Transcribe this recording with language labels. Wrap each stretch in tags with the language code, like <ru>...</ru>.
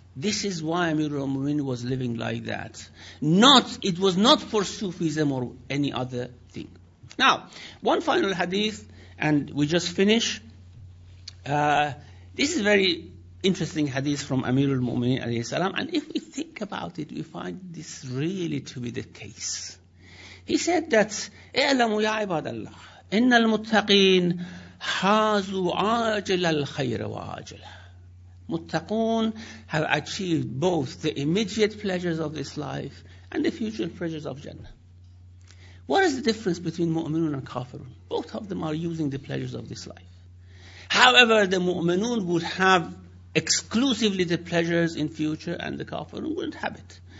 <en>This is why Amir al-Mu'min was living like that. It was not for Sufism or any other thing. Now, one final hadith, and we just finish. This is a very interesting hadith from Amir al-Mu'minin alayhi salam. And if we think about it, we find this really to be the case. He said that,</en> <ar>اَعْلَمُوا يَا عِبَادَ اللَّهِ إِنَّ الْمُتَّقِينَ حَازُوا عَاجِلَ الْخَيْرَ وَعَاجِلَ.</ar> <en>Muttaqun have achieved both the immediate pleasures of this life and the future pleasures of Jannah. What is the difference between mu'minun and kafirun? Both of them are using the pleasures of this life. However, the mu'minun would have exclusively the pleasures in future and the kafirun wouldn't have it.</en>